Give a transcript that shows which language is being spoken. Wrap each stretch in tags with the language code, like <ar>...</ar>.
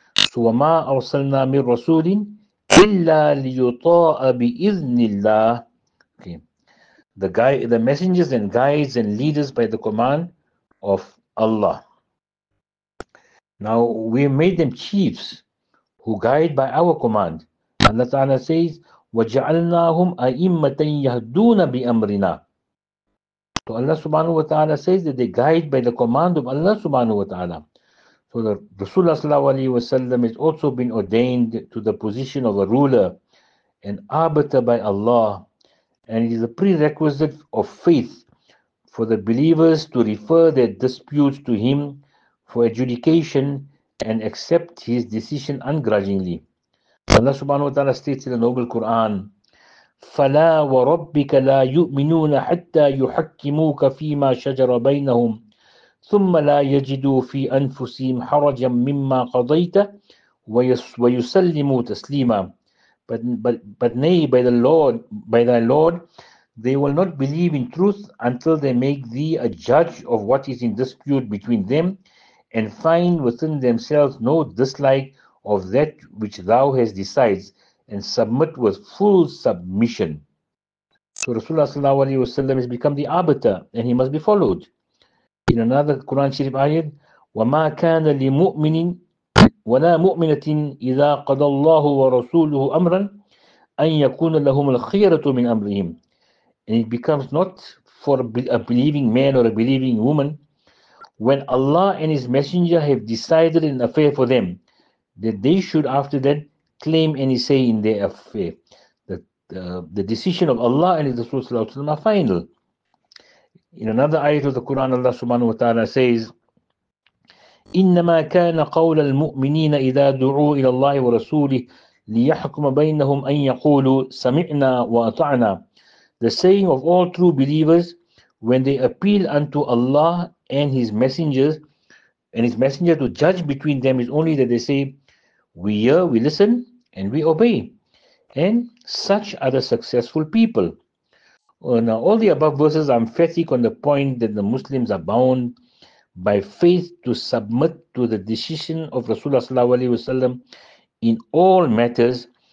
<ar>So وَمَا أَرْسَلْنَا مِنْ رَسُولٍ إِلَّا لِيُطَاءَ بِإِذْنِ اللَّهِ.</ar> <en>Okay. The messengers and guides and leaders by the command of Allah. Now we made them chiefs who guide by our command. Allah Ta'ala says,</en> <ar>وَجَعَلْنَاهُمْ أَئِمَّةً يَهْدُونَ بِأَمْرِنَا.</ar> <en>So Allah subhanahu wa ta'ala says that they guide by the command of Allah subhanahu wa ta'ala. So the Rasulullah sallallahu alayhi wa sallam has also been ordained to the position of a ruler and arbiter by Allah. And it is a prerequisite of faith for the believers to refer their disputes to him for adjudication and accept his decision ungrudgingly. Allah subhanahu wa ta'ala states in the Noble Quran,</en> <ar>فَلَا وَرَبِّكَ لَا يُؤْمِنُونَ حَتَّى يُحَكِّمُوكَ فِي مَا شَجَرَ بَيْنَهُمْ ثُمَّ لَا يَجِدُوا فِي أَنفُسِهِمْ حَرَجًا مِمَّا قَضَيْتَ وَيُسَلِّمُوا تَسْلِيمًا.</ar> <en>But nay, by thy Lord, they will not believe in truth until they make thee a judge of what is in dispute between them and find within themselves no dislike of that which thou hast decided, and submit with full submission. So Rasulullah sallallahu alayhi wa sallam has become the arbiter, and he must be followed. In another Quran Sharif ayat,</en> <ar>وَمَا كَانَ لِمُؤْمِنٍ وَلَا مُؤْمِنَةٍ إِذَا قَضَى اللَّهُ وَرَسُولُهُ أَمْرًا أَنْ يَكُونَ لَهُمُ الْخِيَرَةُ مِنْ أَمْرِهِمْ.</ar> <en>And it becomes not for a believing man or a believing woman when Allah and His Messenger have decided an affair for them, that they should after that claim any say in their affair. The decision of Allah and His Rasul sallallahu alayhi wa sallam are final. In another ayat of the Quran, Allah subhanahu wa ta'ala says,</en> <ar>إِنَّمَا كَانَ قَوْلَ الْمُؤْمِنِينَ إِذَا دُعُوا إِلَى اللَّهِ وَرَسُولِهِ لِيَحْكُمَ بَيْنَهُمْ أَنْ يَقُولُوا سَمِعْنَا وَأَطَعْنَا.</ar> <en>The saying of all true believers when they appeal unto Allah and His messengers and His messenger to judge between them is only that they say, we hear, we listen, and we obey. And such are the successful people. Now, all the above verses are emphatic on the point that the Muslims are bound by faith to submit to the decision of Rasulullah sallallahu alayhi wa sallam in all matters.</en>